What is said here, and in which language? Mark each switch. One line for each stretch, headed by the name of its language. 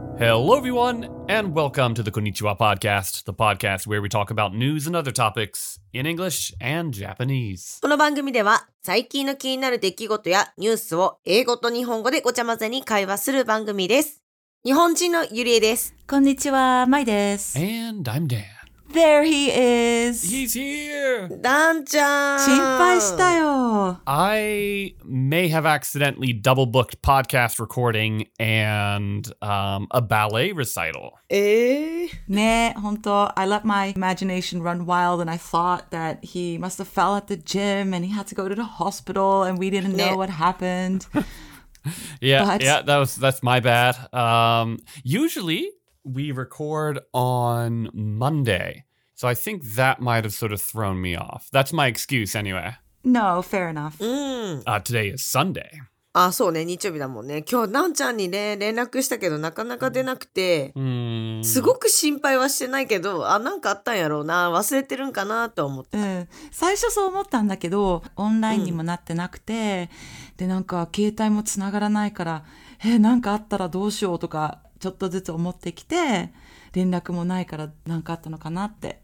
English: Hello, everyone, and welcome to the Konnichiwa Podcast, the podcast where we talk about news and other topics in English and Japanese.
Japanese: この番組では最近の気になる出来事やニュースを英語と日本語でごちゃ混ぜに会話する番組です。日本人のゆりえです。こんにちは、まいです。
English: And I'm Dan. There he is. He's here. Dan-chan.
Japanese: 心配したよ。
English: I may have accidentally double booked podcast recording and a ballet recital.
Japanese: ね、本当。
English: I let my imagination run wild and I thought that he must have fell at the gym and he had to go to the hospital and we didn't know what happened. Yeah, but... yeah, that's my bad. Usually... We record on Monday, so I think that might have sort of thrown me off. That's my excuse anyway. No, fair enough. Today is Sunday.
Japanese: Ah, そうね、日曜日だもんね。今日ナンちゃんにね、連絡したけどなかなか出なくて、すごく心配はしてないけど、あ、なんかあったんやろうな、忘れてるんかなと思って。うん、最初そう思ったんだけど、オンラインにもなってなくて、で、なんか携帯もつながらないから、え、なんかあったらどうしようとか、ちょっとずつ思ってきて連絡もないから何かあったのかなって